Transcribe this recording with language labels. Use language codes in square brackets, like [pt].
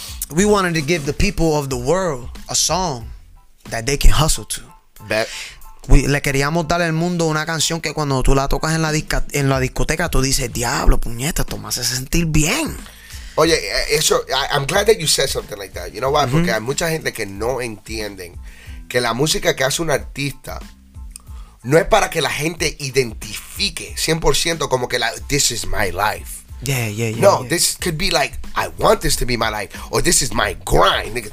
[en] We wanted to give the people of the world a song that they can hustle to. Bet. [es] Le queríamos dar al mundo una canción que cuando tú la tocas en la discoteca, tú dices, diablo, puñeta, esto me hace sentir bien. Oye, eso, [en] I'm glad that you said something like that. You know why? [es] Mm-hmm. Porque hay mucha gente que no entienden que la música que hace un artista no es para que la gente identifique 100% como que [en] this is my life. Yeah. No, yeah. This could be like, I want this to be my life, or this is my grind, nigga.